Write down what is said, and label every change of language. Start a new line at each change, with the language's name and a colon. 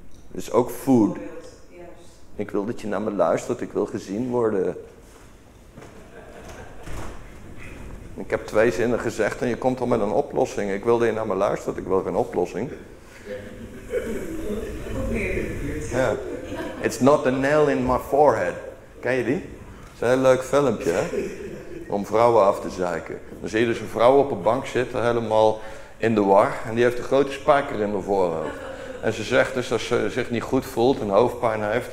Dutch: Het is ook food. Juist. Ik wil dat je naar me luistert, ik wil gezien worden. Ik heb twee zinnen gezegd en je komt al met een oplossing. Ik wil dat je naar me luistert, ik wil geen oplossing. Ja.
English: It's not the nail in my forehead.
Dutch: Ken je die? Het is een heel leuk filmpje, hè? Om vrouwen af te zeiken. Dan zie je dus een vrouw op een bank zitten, helemaal in de war. En die heeft een grote spijker in haar voorhoofd. En ze zegt dus dat ze zich niet goed voelt en hoofdpijn heeft.